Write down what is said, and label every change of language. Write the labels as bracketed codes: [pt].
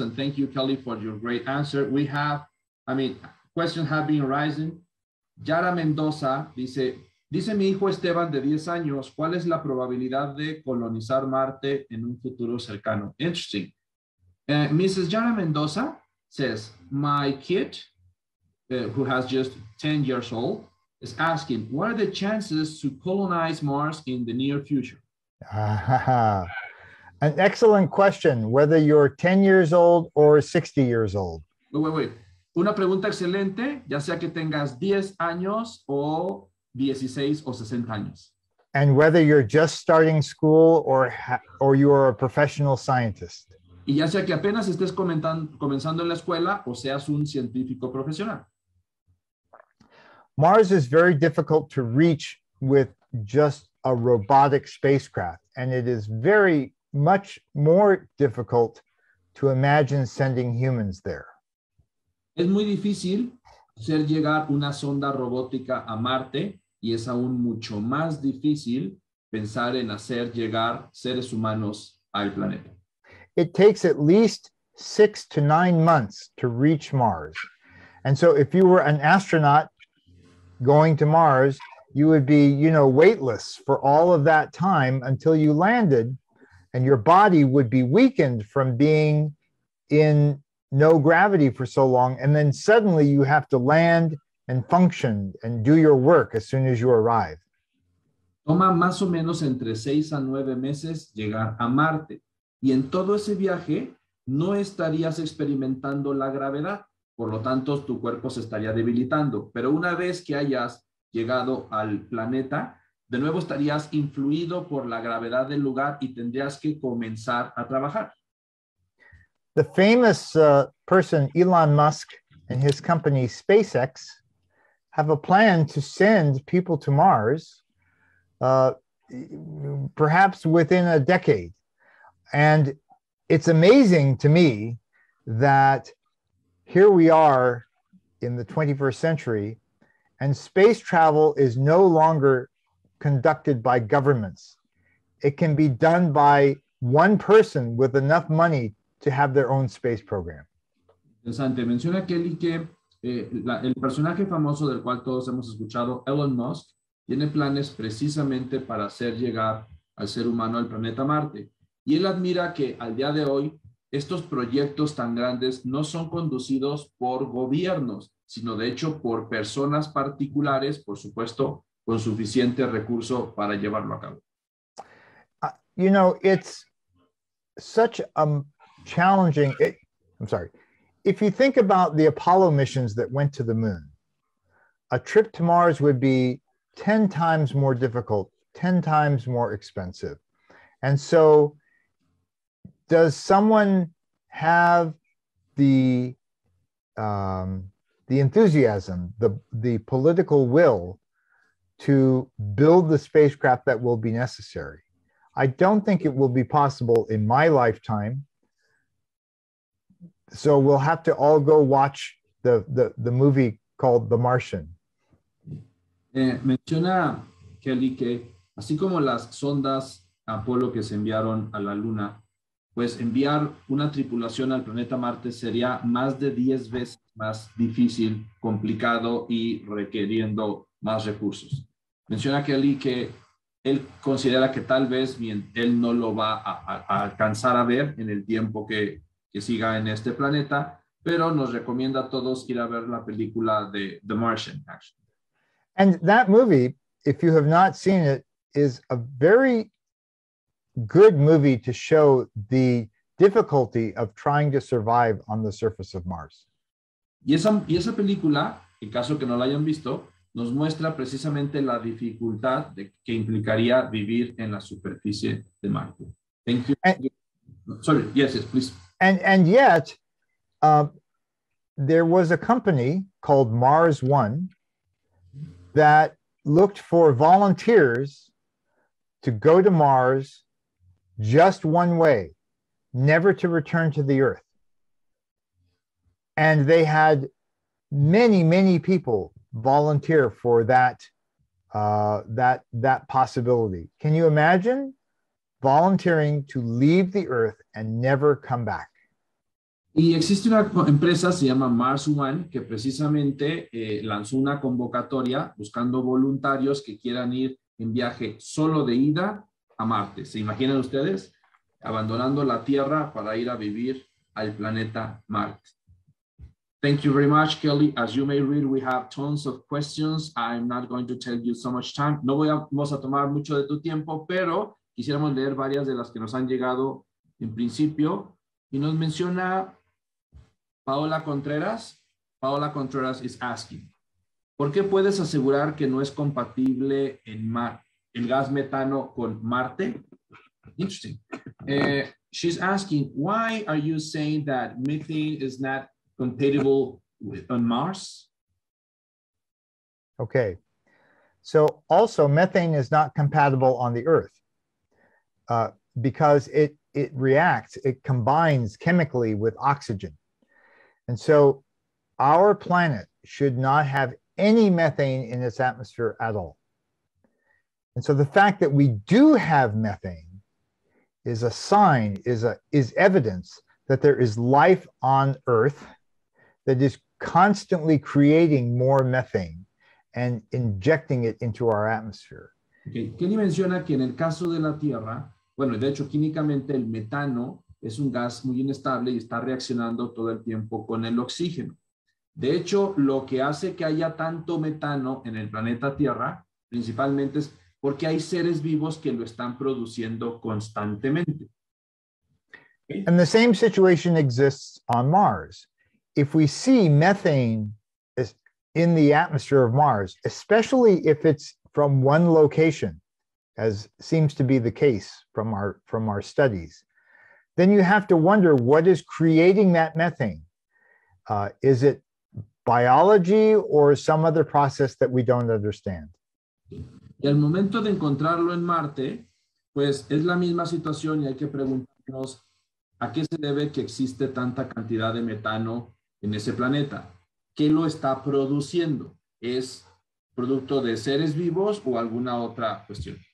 [en] And thank you, Kelly, for your great answer. Questions have been arising. [es] Yara Mendoza dice mi hijo Esteban de 10 años, ¿cuál es la probabilidad de colonizar Marte en un futuro cercano? [en] Interesting. Mrs. Yara Mendoza says, my kid, who has just 10 years old, is asking, what are the chances to colonize Mars in the near future? An excellent question, whether you're 10 years old or 60 years old. Wait. [es] Una pregunta excelente, ya sea que tengas 10 años o 16 o 60 años. [en] And whether you're just starting school or you are a professional scientist. [es] Y ya sea que apenas estés comenzando en la escuela o seas un científico profesional. [en] Mars is very difficult to reach with just a robotic spacecraft, and it is very much more difficult to imagine sending humans there. [es] Es muy difícil hacer llegar una sonda robótica a Marte, y es aún mucho más difícil pensar en hacer llegar seres humanos al planeta. [en] It takes at least 6 to 9 months to reach Mars. And so if you were an astronaut going to Mars, you would be, you know, weightless for all of that time until you landed, and your body would be weakened from being in no gravity for so long, and then suddenly you have to land and function and do your work as soon as you arrive. [es] Toma más o menos entre 6 a 9 meses llegar a Marte, y en todo ese viaje no estarías experimentando la gravedad, Por lo tanto, tu cuerpo se estaría debilitando. Pero una vez que hayas llegado al planeta, de nuevo estarías influido por la gravedad del lugar y tendrías que comenzar a trabajar. [en] The famous person Elon Musk and his company SpaceX have a plan to send people to Mars, perhaps within a decade. And it's amazing to me that here we are in the 21st century and space travel is no longer conducted by governments. It can be done by one person with enough money to have their own space program. [es] Interesante. Menciona Kelly que el personaje famoso del cual todos hemos escuchado, Elon Musk, tiene planes precisamente para hacer llegar al ser humano al planeta Marte. Y él admira que al día de hoy, estos proyectos tan grandes no son conducidos por gobiernos, sino de hecho por personas particulares, por supuesto, con suficiente recurso para llevarlo a cabo. [en] You know, it's such a challenging, I'm sorry. If you think about the Apollo missions that went to the moon, a trip to Mars would be 10 times more difficult, 10 times more expensive. And so does someone have the enthusiasm, the political will to build the spacecraft that will be necessary? I don't think it will be possible in my lifetime. So we'll have to all go watch the movie called The Martian. [es] Menciona Kelly que así como las sondas Apolo que se enviaron a la Luna, pues enviar una tripulación al planeta Marte sería más de 10 veces más difícil, complicado y requiriendo más recursos. Menciona Kelly que él considera que tal vez él no lo va a alcanzar a ver en el tiempo que siga en este planeta, pero nos recomienda a todos ir a ver la película de The Martian. [en] And that movie, if you have not seen it, is a very good movie to show the difficulty of trying to survive on the surface of Mars. [es] Y esa película, en caso que no la hayan visto, nos muestra precisamente la dificultad que implicaría vivir en la superficie de Marte. [en] Thank you. Yes, please. And yet, there was a company called Mars One that looked for volunteers to go to Mars just one way, never to return to the Earth. And they had many, many people volunteer for that possibility. Can you imagine volunteering to leave the Earth and never come back? [es] Y existe una empresa, se llama Mars One, que precisamente lanzó una convocatoria buscando voluntarios que quieran ir en viaje solo de ida a Marte. ¿Se imaginan ustedes? Abandonando la Tierra para ir a vivir al planeta Marte. [en] Thank you very much, Kelly. As you may read, we have tons of questions. I'm not going to take you so much time. [es] No vamos a tomar mucho de tu tiempo, pero quisiéramos leer varias de las que nos han llegado en principio. Y nos menciona Paola Contreras. Paola Contreras [en] is asking, [es] ¿por qué puedes asegurar que no es compatible en mar el gas metano con Marte? [en] Interesting. She's asking, why are you saying that methane is not compatible with on Mars? Okay. So also methane is not compatible on the Earth because it reacts, it combines chemically with oxygen. And so our planet should not have any methane in its atmosphere at all. And so the fact that we do have methane is a sign, is evidence that there is life on Earth that is constantly creating more methane and injecting it into our atmosphere. Okay. [es] Kelly menciona que en el caso de la Tierra, bueno, de hecho, químicamente el metano es un gas muy inestable y está reaccionando todo el tiempo con el oxígeno. De hecho, lo que hace que haya tanto metano en el planeta Tierra, principalmente es porque hay seres vivos que lo están produciendo constantemente. [en] And the same situation exists on Mars. if we see methane in the atmosphere of Mars, especially if it's from one location, as seems to be the case from our studies, then you have to wonder what is creating that methane. Is it biology or some other process that we don't understand? [es] Y al momento de encontrarlo en Marte, pues es la misma situación y hay que preguntarnos a qué se debe que existe tanta cantidad de metano en ese planeta. ¿Qué lo está produciendo? ¿Es producto de seres vivos o alguna otra cuestión?